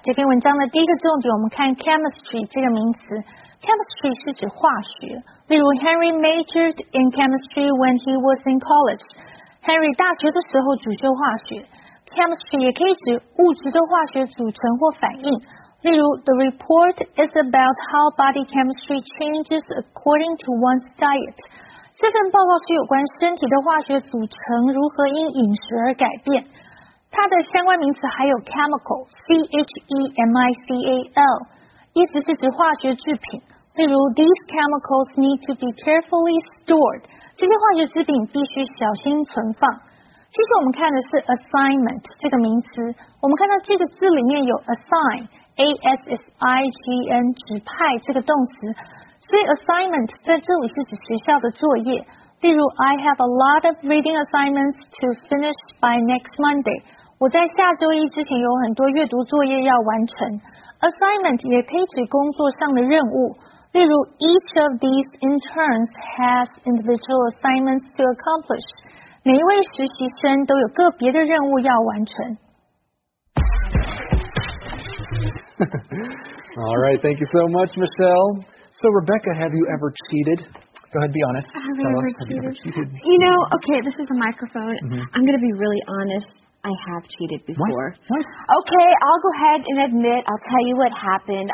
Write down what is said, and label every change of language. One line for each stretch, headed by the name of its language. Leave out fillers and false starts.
Chinese: 这篇文章的第一个重点，我们看 chemistry 这个名词。Chemistry 是指化学。例如
English: ，Henry majored in chemistry when he was in college.
Chinese: Henry 大学的时候主修化学。Chemistry 也可以指物质的化学组成或反应。例如
English: ，The report is about how body chemistry changes according to one's diet.
Chinese: 这份报告是有关身体的化学组成如何因饮食而改变。它的相关名词还有 chemical, C-H-E-M-I-C-A-L, 意思是指化学制品。例如
English: ,these chemicals need to be carefully stored,
Chinese: 这些化学制品必须小心存放。其实我们看的是 assignment, 这个名词。我们看到这个字里面有 assign, A-S-S-I-G-N, 指派这个动词。所以 assignment 在这里是指学校的作业。例如
English: ,I have a lot of reading assignments to finish by next Monday.
Chinese: 我在下周一之前有很多阅读作业要完成。Assignment 也可以指工作上的任务。例如
English: ,each of these interns has individual assignments to accomplish.
Chinese: 每一位实习生都有个别的任务要完成。
English: Alright, thank you so much, Michelle. So, Rebecca, have you ever cheated? Go ahead, be honest. Have you ever cheated? You know, okay, this is a microphone. Mm-hmm. I'm going to be really honest. I have cheated before. What? Okay, I'll go ahead and admit. I'll tell you what happened.